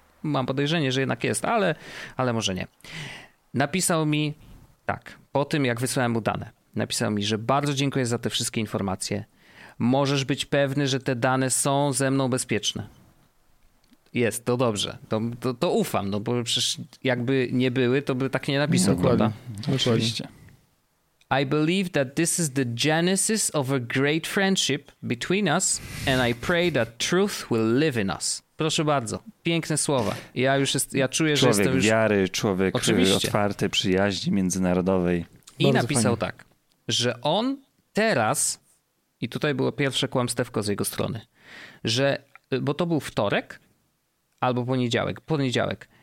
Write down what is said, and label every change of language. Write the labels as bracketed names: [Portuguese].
[Polish] Mam podejrzenie, że jednak jest, ale może nie. Napisał mi tak, po tym jak wysłałem mu dane. Napisał mi, że bardzo dziękuję za te wszystkie informacje. Możesz być pewny, że te dane są ze mną bezpieczne. Jest, to dobrze. To ufam, no bo przecież jakby nie były, to by tak nie napisał, prawda? Oczywiście. [English] I believe that this is the genesis of a great friendship between us and I pray that truth will live in us. [Polish] Proszę bardzo. Piękne słowa. Ja czuję, człowiek, że jestem już... wiary, człowiek oczywiście. Otwarty, przyjaźni międzynarodowej. I bardzo napisał fajnie. Tak, że on teraz, i tutaj było pierwsze kłamstewko z jego strony, że, bo to był wtorek, albo poniedziałek.